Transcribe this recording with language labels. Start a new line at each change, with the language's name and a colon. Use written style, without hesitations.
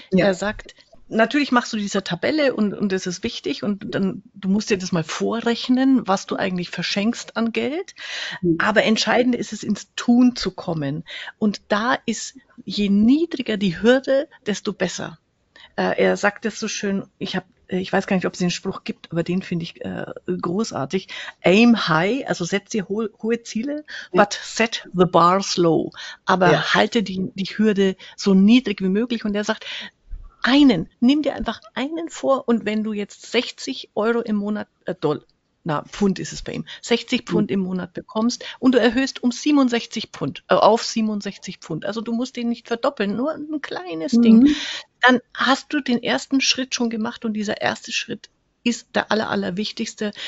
German: Ja. Er sagt, natürlich machst du diese Tabelle und das ist wichtig und dann du musst dir das mal vorrechnen, was du eigentlich verschenkst an Geld. Aber entscheidend ist es, ins Tun zu kommen. Und da ist, je niedriger die Hürde, desto besser. Er sagt es so schön, ich weiß gar nicht, ob es den Spruch gibt, aber den finde ich großartig.
English: Aim high,
German: also setz dir hohe Ziele,
English: but set the bar slow.
German: Aber ja, halte die Hürde so niedrig wie möglich. Und er sagt, nimm dir einfach einen vor, und wenn du jetzt 60 Euro im Monat, Pfund ist es bei ihm, 60 Pfund im Monat bekommst und du erhöhst auf 67 Pfund, also du musst den nicht verdoppeln, nur ein kleines Ding, dann hast du den ersten Schritt schon gemacht, und dieser erste Schritt ist der allerwichtigste.